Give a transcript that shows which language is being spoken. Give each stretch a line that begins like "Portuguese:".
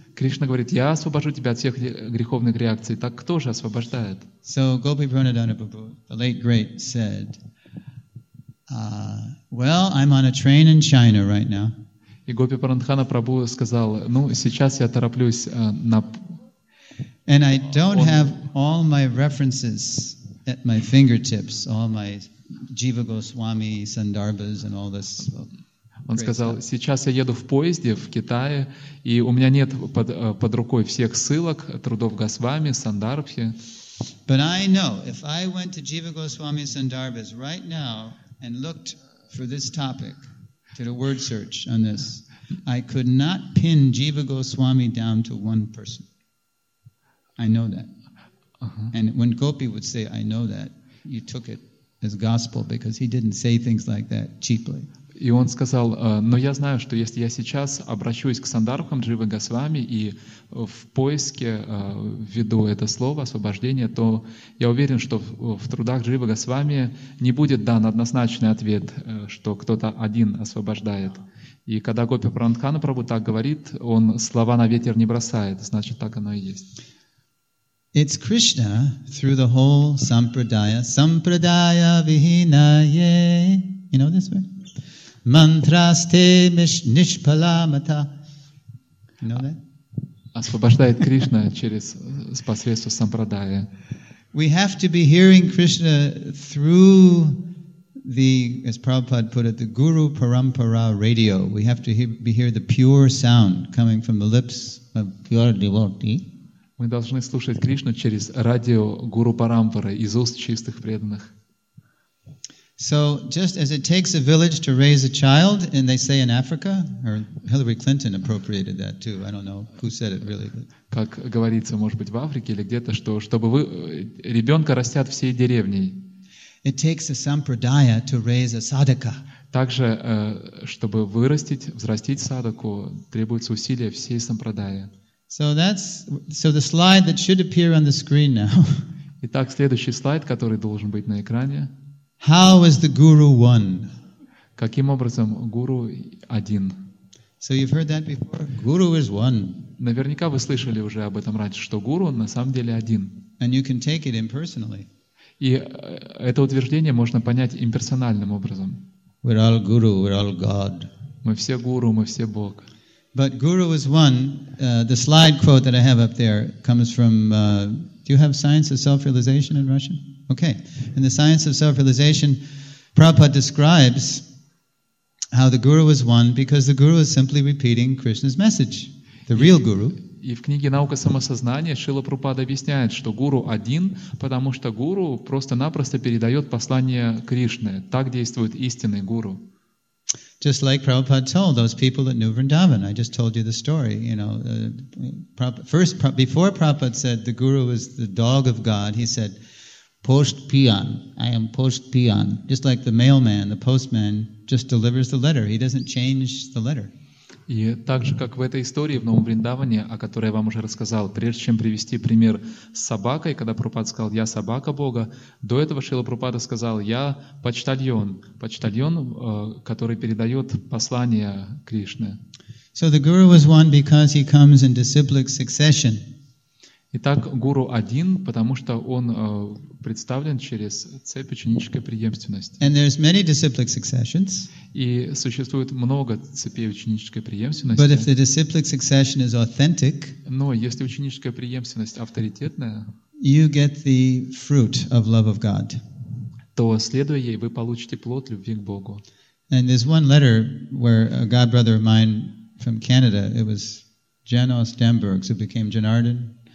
Russian: Кришна говорит, я освобожу тебя от всех греховных реакций. Так кто же освобождает?
English: So Gopi Pranadana Prabhu, the late great, said, "Well, I'm on a train in China right now."
Russian: И Гопи Паранхана Прабу сказал, ну сейчас я тороплюсь на.
English: And I don't have all my references at my fingertips, all my Jiva Goswami Sandarbhas and all this.
Russian: Он сказал: "Сейчас я еду в поезде в Китае, и у меня нет под рукой всех ссылок трудов Госвами Сандарбхи."
English: But I know if I went to Jiva Goswami Sandarbhas right now and looked for this topic, did a word search on this, I could not pin Jiva Goswami down to one person. I know that. Uh-huh. And when Gopi would say, "I know that," you took it as gospel because he didn't say things like that cheaply.
Russian: И он сказал, но я знаю, что если я сейчас обращусь к Сандарбхам, Джива Госвами, и в поиске введу это слово освобождение, то я уверен, что в трудах Джива Госвами не будет дан однозначный ответ, что кто-то один освобождает. И когда Гопи Пранхана Прабу так говорит, он слова на ветер не бросает, значит, так оно и есть.
English: It's Krishna through the whole sampradaya.
Sanskrit: Sampradaya vihinaye.
English: You know this word?
Sanskrit: Mantraste nishpalamata.
English: You know that?
Russian: Освобождает Кришна через посредством сампрадая.
English: We have to be hearing Krishna through the, as Prabhupada put it, the Guru Parampara radio. We have to hear the pure sound coming from the lips of pure devotee.
Russian: Мы должны слушать Кришну через радио Гуру Парампары из уст чистых преданных.
English: So just as it takes a village to raise a child, and they say in Africa, or Hillary Clinton appropriated that too. I don't know who said it really.
Russian: Как говорится, может быть, в Африке или где-то, что чтобы вы ребенка растят всей деревней.
English: It takes a sampradaya to raise a sadhaka.
Russian: Также, чтобы вырастить, взрастить садаку, требуется усилие всей сампрадаи.
English: So the slide that should appear on the screen now.
Russian: Итак, следующий слайд, который должен быть на экране.
English: How was the guru one?
Russian: Каким образом гуру один?
English: So you've heard that before. Guru is one.
Russian: Наверняка вы слышали уже об этом раньше, что гуру на самом деле один.
English: And you can take it impersonally.
Russian: И это утверждение можно понять имперсональным образом.
English: We're all guru, we're all God.
Russian: Мы все гуру, мы все Бог.
English: But guru is one. The slide quote that I have up there comes from. Do you have science of self-realization in Russian? Okay. In the science of self-realization, Prabhupada describes how the guru is one because the guru is simply repeating Krishna's message, the real guru.
Russian: И в книге «Наука самосознания» Шрила Прабхупада объясняет, что гуру один, потому что гуру просто-напросто передает послание Кришны. Так действует истинный гуру.
English: Just like Prabhupada told those people at New Vrindavan. I just told you the story. You know, before Prabhupada said the guru is the dog of God, he said, post peon, I am post peon. Just like the mailman, the postman just delivers the letter. He doesn't change the letter.
Russian: И так же, как в этой истории в Новом Вриндаване, о которой я вам уже рассказал, прежде чем привести пример с собакой, когда Прабхупада сказал «Я собака Бога», до этого Шрила Прабхупада сказал «Я почтальон», почтальон, который передает послание Кришны.
English: So the guru was one because he comes in disciplic succession.
Russian: Итак, гуру один, потому что он представлен через цепь ученической преемственности.
English: And there's many disciplic successions.
Russian: И существует много цепей ученической преемственности.
English: But if the disciplic succession is authentic,
Russian: но если ученическая преемственность авторитетная,
English: you get the fruit of love of God.
Russian: То, следуя ей, вы получите плод любви к Богу.
English: And there's one letter where a god brother of mine from Canada, it was Janos Dambergs, who became Janardan.